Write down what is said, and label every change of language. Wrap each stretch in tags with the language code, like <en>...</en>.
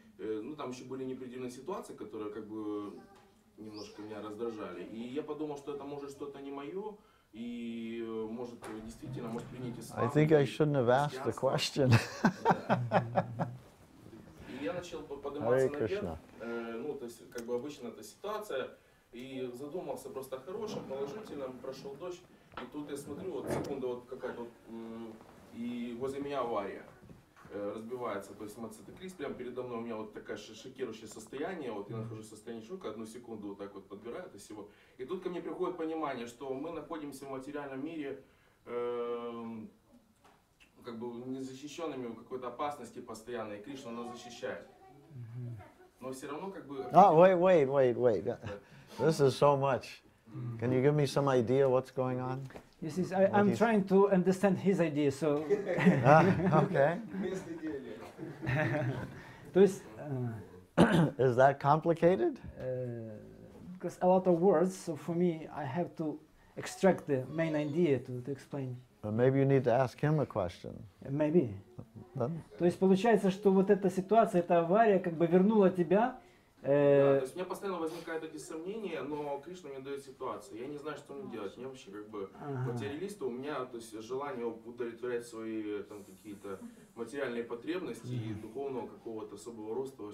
<ru>Ну, там еще были неопределенные ситуации, которые как бы немножко меня раздражали. И я подумал, что это может что-то не мое. И может действительно может принять ислам.</ru> <en>I think I shouldn't have asked the question.</en> <ru>И я начал подниматься наверх. Ну, то есть, как бы обычно эта ситуация. И задумался просто о хорошем, положительном, прошел дождь. И тут я смотрю, вот секунда, вот какая-то вот, и возле меня авария разбивается. То есть мотоциклист прямо передо мной, у меня вот такое шокирующее состояние. Вот я нахожусь в состоянии шока, одну секунду вот так вот подбираю это всего. И тут ко мне приходит понимание, что мы находимся в материальном мире, как бы незащищенными в какой-то опасности постоянной. И Кришна нас защищает. Но все равно как бы...</ru> <en>Wait. This is so much. Can you give me some idea what's going on? This is, I'm trying to understand his idea, so... okay. Is that complicated? Because a lot of words, so for me, I have to extract the main idea to explain. But maybe you need to ask him a question. Maybe.</en> <ru>То есть получается, что вот эта ситуация, эта авария как бы вернула тебя... Да, то есть у меня постоянно возникают эти сомнения, но Кришна мне дает ситуацию. Я не знаю, что мне делать. Мне вообще как бы материалист, у меня то есть желание удовлетворять свои там какие-то материальные потребности и духовного какого-то особого роста.</ru>